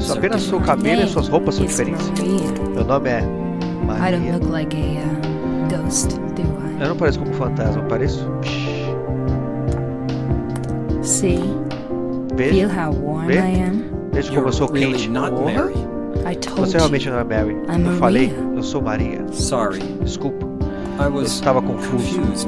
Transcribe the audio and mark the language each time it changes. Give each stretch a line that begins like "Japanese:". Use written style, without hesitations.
Portuguese: Só apenas seu cabelo e suas roupas são diferentes. Meu nome é Maria.
English: I don't look like a ghost, do I?
Portuguese: Eu não pareço como um fantasma, eu pareço.
English: See?
Portuguese: Vejo.
English: Feel how warm I am.
Portuguese: Vejo como eu sou quente.
English: Really,
Portuguese: você realmente não é Mary. Eu falei, eu sou Maria.
English: Sorry.
Portuguese: Desculpa. Eu estava confuso.